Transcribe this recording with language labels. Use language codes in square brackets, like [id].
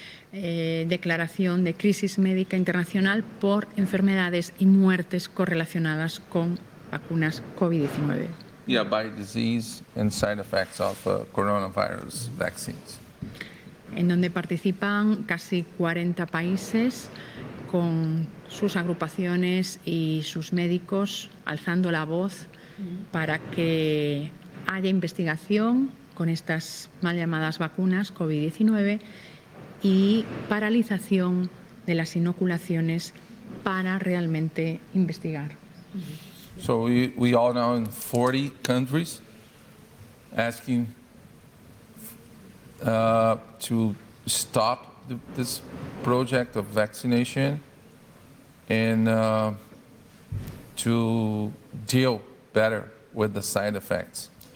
[es] Declaración de crisis médica internacional por enfermedades y muertes correlacionadas con vacunas COVID-19. [en] Yeah, by disease and side effects of coronavirus vaccines. [es] En donde participan casi 40 países con sus agrupaciones y sus médicos alzando la voz para que haya investigación con estas mal llamadas vacunas COVID-19 y paralización de las inoculaciones para realmente investigar. [en] So we all now in 40 countries asking to stop this project of vaccination and to deal better with the side effects.